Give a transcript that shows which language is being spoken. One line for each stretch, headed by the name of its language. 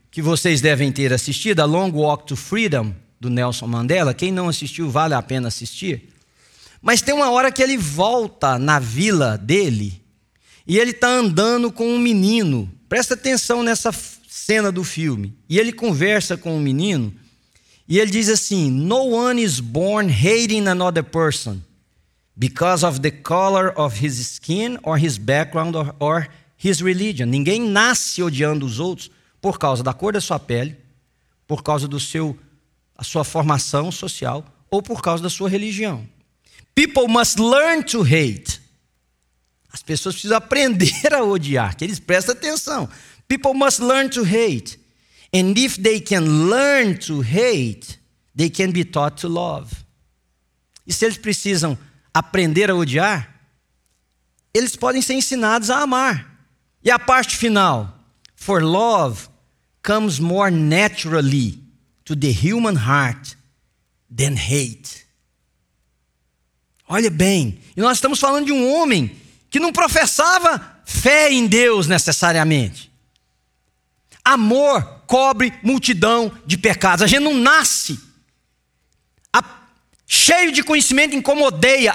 Portuguese: que vocês devem ter assistido, A Long Walk to Freedom, do Nelson Mandela. Quem não assistiu, vale a pena assistir. Mas tem uma hora que ele volta na vila dele e ele está andando com um menino. Presta atenção nessa cena do filme. E ele conversa com o menino e ele diz assim:
English: "No one is born hating another person because of the color of his skin or his background or his religion."
Portuguese: Ninguém nasce odiando os outros por causa da cor da sua pele, por causa do seu, a sua formação social ou por causa da sua religião.
English: People must learn to hate.
Portuguese: As pessoas precisam aprender a odiar. Que eles prestem atenção.
English: People must learn to hate. And if they can learn to hate, they can be taught to love.
Portuguese: E se eles precisam aprender a odiar, eles podem ser ensinados a amar. E a parte final.
English: For love comes more naturally to the human heart than hate.
Portuguese: Olha bem, e nós estamos falando de um homem que não professava fé em Deus necessariamente. Amor cobre multidão de pecados. A gente não nasce cheio de conhecimento, incomodeia.